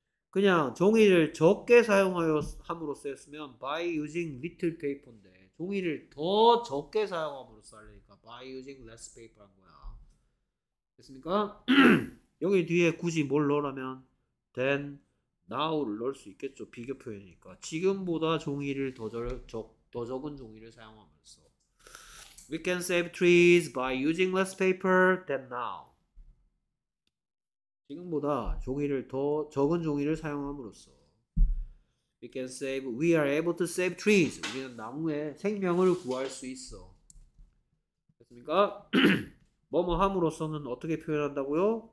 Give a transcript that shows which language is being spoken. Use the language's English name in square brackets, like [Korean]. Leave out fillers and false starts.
[Korean] 그냥 종이를 적게 사용하여 함으로써 했으면 [English] by using little paper [Korean] 인데 종이를 더 적게 사용함으로써 하려니까 [English] by using less paper [Korean] 한 거야. 됐습니까? 여기 뒤에 굳이 뭘 넣으라면 then, now를 넣을 수 있겠죠. 비교 표현이니까. 지금보다 종이를 더 적은 종이를 사용함으로써. [English] We can save trees by using less paper than now. [Korean] 지금보다 종이를 더 적은 종이를 사용함으로써. [English] We can save, we are able to save trees. [Korean] 우리는 나무에 생명을 구할 수 있어. 됐습니까? 뭐뭐 함으로써는 어떻게 표현한다고요?